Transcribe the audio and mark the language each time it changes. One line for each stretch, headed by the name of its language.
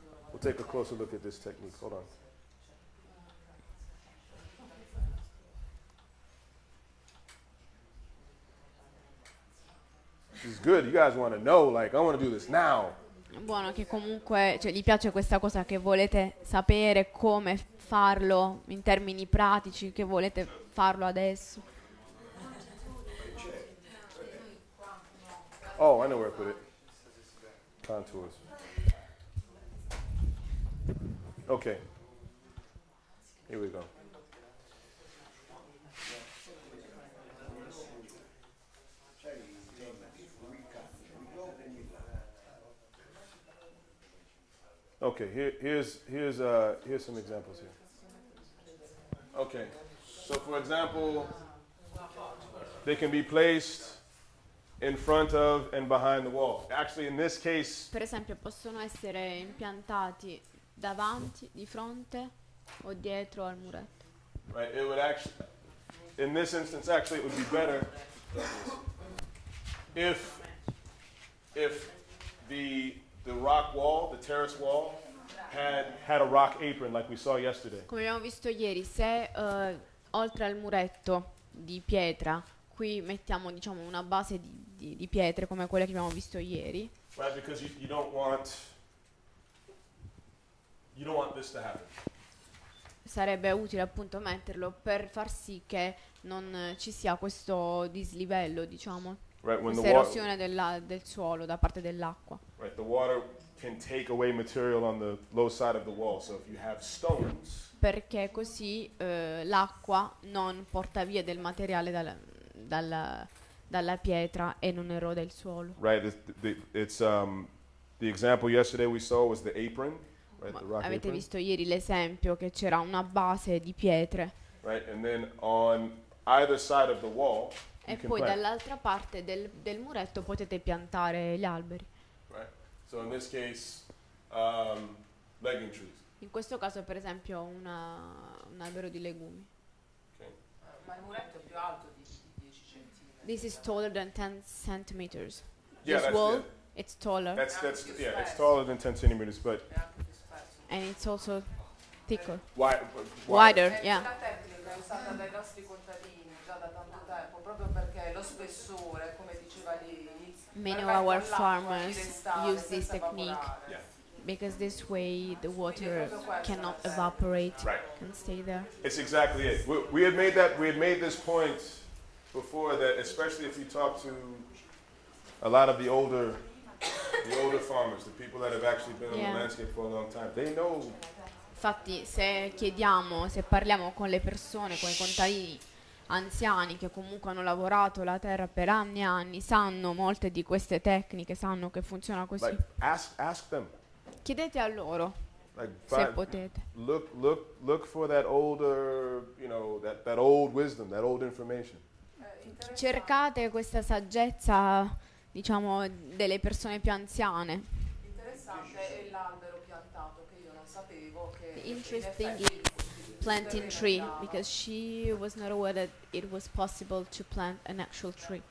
English: We'll take a closer look at this technique. Hold on. is good. You guys want to know, like, I want to do this now.
Italian: Buono che comunque, cioè, gli piace questa cosa, che volete sapere come farlo in termini pratici, che volete farlo adesso.
English: Oh, I know where I put it. Contours. Okay. Here we go. Okay, here's some examples here. Okay. So for example, they can be placed in front of and behind the wall. Actually, in this case,
Italian: per esempio, possono essere impiantati davanti, di fronte o dietro al muretto.
English: Right, it would actually, in this instance actually, it would be better if the rock wall, the terrace wall, had a rock apron like we saw yesterday.
Italian: Come abbiamo visto ieri, se oltre al muretto di pietra, qui mettiamo, diciamo, una base di pietre come quella che abbiamo visto ieri.
English: Right, because you don't want this to happen.
Italian: Sarebbe utile appunto metterlo per far sì che non ci sia questo dislivello, diciamo,
English: right,
Italian: questa erosione del suolo da parte dell'acqua.
English: Right, the water can take away material on the low side of the wall, so if you have stones.
Italian: Perché così l'acqua non porta via del materiale dalla pietra e non erode il suolo.
English: Right, the example yesterday we saw was the apron. Right,
Italian: avete
English: apron.
Italian: Visto ieri l'esempio che c'era una base di pietre.
English: Right, and then on either side of the wall,
Italian: e poi dall'altra parte del muretto potete piantare gli alberi.
English: Right. So in this case, legume trees.
Italian: In questo caso, per esempio, un albero di legumi. Ma il muretto è più alto di 10 centimetri.
English: This is taller than 10 centimeters. Yeah, this wall, it's taller. That's yeah, it's taller than 10 centimeters, but. And it's also thicker. Wider, yeah.
Italian: La tecnica è usata dai nostri contadini già da tanto tempo, proprio perché lo spessore, come diceva lì,
English: many of our farmers use this technique because this way the water cannot evaporate, can stay there. It's exactly it. We had made this point before, that especially if you talk to a lot of the older the older farmers, the people that have actually been on the landscape for a long time, they know.
Italian: Infatti, se chiediamo, se parliamo con le persone, con i contadini anziani che comunque hanno lavorato la terra per anni e anni, sanno molte di queste tecniche, sanno che funziona così.
English: Like, ask them.
Italian: Chiedete a loro,
English: like,
Italian: se potete.
English: Look for that older, you know, that old wisdom, that old information.
Italian: Cercate questa saggezza, diciamo, delle persone più anziane. Interessante è l'albero piantato, che io non sapevo che
English: interesting in planting tree, because she was not aware that it was possible to plant an actual tree.